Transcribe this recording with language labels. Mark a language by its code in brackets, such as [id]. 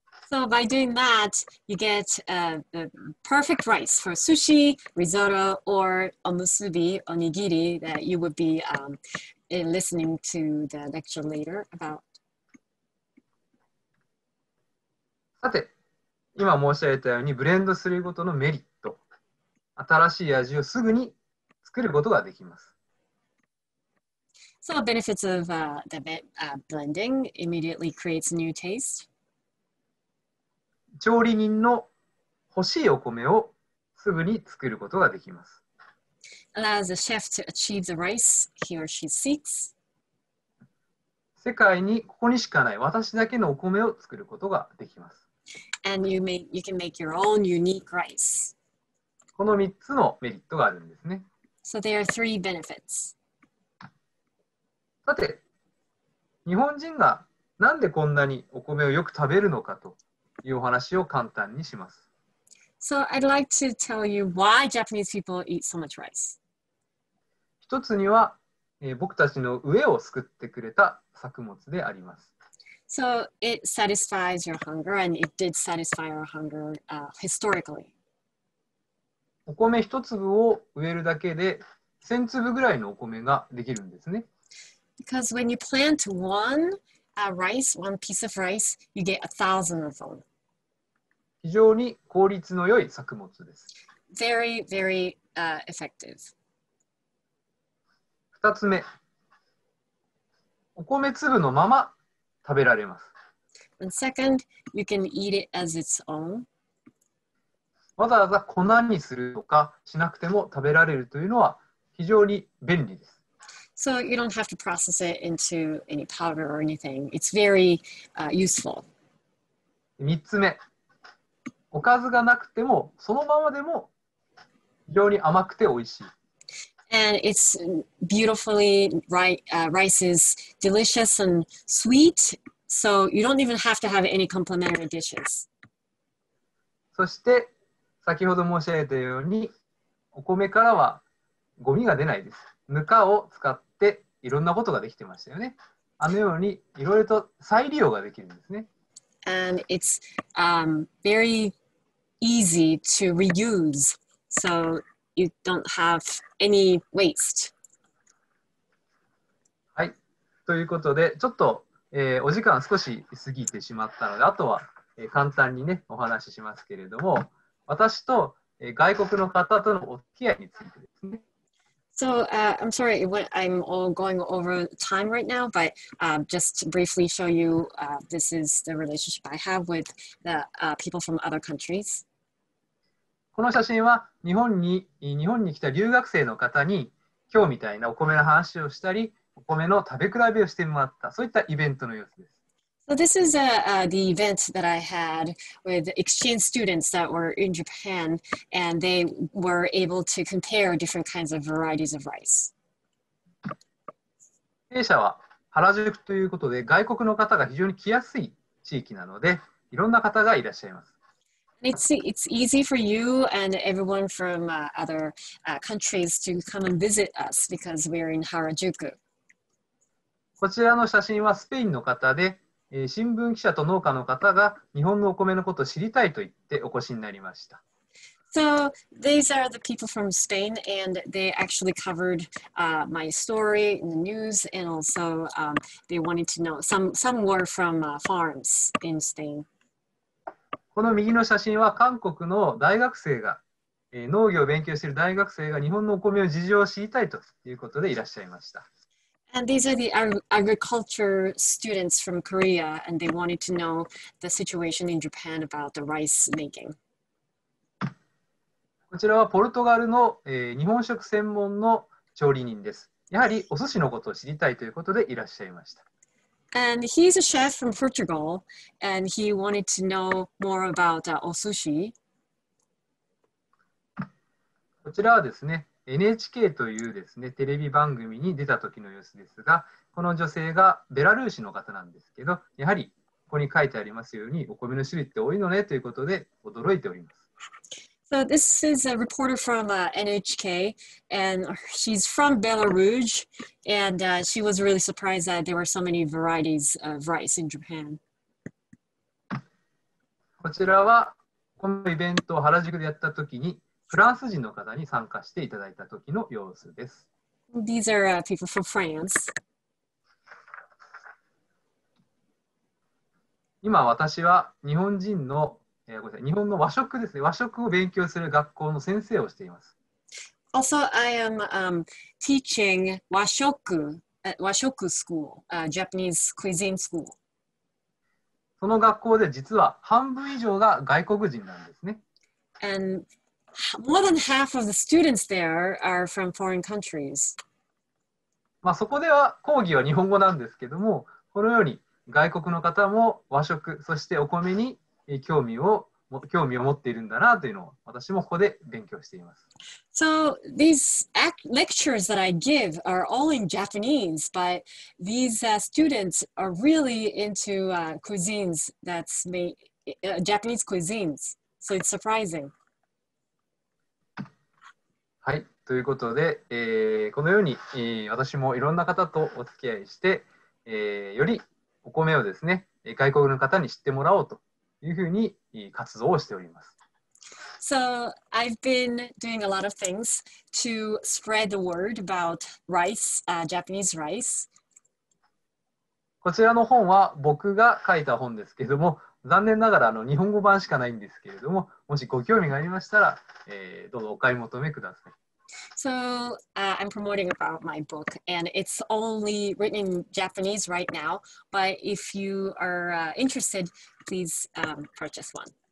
[en] So by doing that, you get a perfect rice for sushi, risotto, or omusubi, onigiri, that you would be listening to the lecture later about. [ja] さて、今申し上げたようにブレンドすることのメリット、新しい味をすぐに作ることができます。 [en] So benefits of blending immediately creates new taste. [ja] 調理人の欲しいお米をすぐに作ることができます。 [en] Allows the chef to achieve the rice he or she seeks. [ja] 世界にここにしかない私だけのお米を作ることができます。 [en] And you can make your own unique rice. [ja] この3つのメリットがあるんですね。 [en] So there are three benefits. [ja] さて、日本人がなんでこんなにお米をよく食べるのかというお話を簡単にします。 [en] So I'd like to tell you why Japanese people eat so much rice. [ja] 一つには、僕たちの飢えを救ってくれた作物であります。 [en] So it satisfies your hunger and it did satisfy our hunger historically. [ja] お米一粒を植えるだけで千粒ぐらいのお米ができるんですね。 [en] Because when you plant one piece of rice, you get 1,000 of them. [ja] 非常に効率の良い作物です。 [en] Very, very effective. [ja] 二つ目、お米粒のまま食べられます。 [en] And second, you can eat it as its own. [ja] わざわざ粉にするとかしなくても食べられるというのは非常に便利です。 [en] So you don't have to process it into any powder or anything. It's very useful. [ja] 3つ目、おかずがなくてもそのままでも非常に甘くて美味しい。 [en] And it's beautifully rice is delicious and sweet. So you don't even have to have any complimentary dishes. [ja] そして先ほど申し上げたようにお米からはゴミが出ないです。ぬかを使っていろんなことができてましたよね。あのようにいろいろと再利用ができるんですね。 [en] And it's very easy to reuse, so you don't have any waste. [ja] はい。ということで、ちょっと、お時間少し過ぎてしまったので、あとは、簡単にね、お話ししますけれども、私と、外国の方とのお付き合いについてですね。 [en] So, I'm sorry, I'm all going over time right now, but just to briefly show you, this is the relationship I have with the people from other countries. [ja] この写真は日本に来た留学生の方に今日みたいなお米の話をしたり、お米の食べ比べをしてもらった、そういったイベントの様子です。 [en] So this is the event that I had with exchange students that were in Japan, and they were able to compare different kinds of varieties of rice. [ja] 弊社は原宿ということで、外国の方が非常に来やすい地域なので、いろんな方がいらっしゃいます。 [en] It's easy for you and everyone from other countries to come and visit us because we're in Harajuku. [ja] こちらの写真はスペインの方で、新聞記者と農家の方が日本のお米のことを知りたいと言ってお越しになりました。 [en] So, these are the people from Spain, and they actually covered my story in the news, and also they wanted to know. Some were from farms in Spain. [ja] この右の写真は韓国の大学生が、農業を勉強している大学生が日本のお米の事情を知りたいということでいらっしゃいました。 [en] And these are the agriculture students from Korea, and they wanted to know the situation in Japan about the rice making. [ja] こちらはポルトガルの、日本食専門の調理人です。やはりお寿司のことを知りたいということでいらっしゃいました。 [en] And he's a chef from Portugal, and he wanted to know more about osushi. [ja] こちらはですね、NHK というですね、テレビ番組に出た時の様子ですが、この女性がベラルーシの方なんですけど、やはりここに書いてありますように、お米の種類って多いのねということで驚いております。 [en] So this is a reporter from NHK, and she's from Belarus, and she was really surprised that there were so many varieties of rice in Japan. [ja] こちらはこのイベントを原宿でやった時に、フランス人の方に参加していただいた時の様子です。 [en] These are people from France. [ja] 今私は日本人の日本の和食ですね。和食を勉強する学校の先生をしています。 [en] Also, I am teaching 和食 school, Japanese cuisine school. [ja] その学校で実は半分以上が外国人なんですね。 [en] And more than half of the students there are from foreign countries. [ja] まあそこでは講義は日本語なんですけども、このように外国の方も和食、そしてお米に興味を持っているんだなというのを私もここで勉強しています。 [en] So these lectures that I give are all in Japanese, but these students are really into cuisines that's made Japanese cuisines. So it's surprising. [ja] はい、ということで、このように、私もいろんな方とお付き合いして、よりお米をですね、外国の方に知ってもらおうと。いうふうに活動をしております。 [en] So, I've been doing a lot of things to spread the word about rice, Japanese rice. [ja] こちらの本は僕が書いた本ですけれども、残念ながら日本語版しかないんですけれども、もしご興味がありましたら、どうぞお買い求めください。 [en] So, I'm promoting about my book, and it's only written in Japanese right now, but if you are interested,Please purchase one.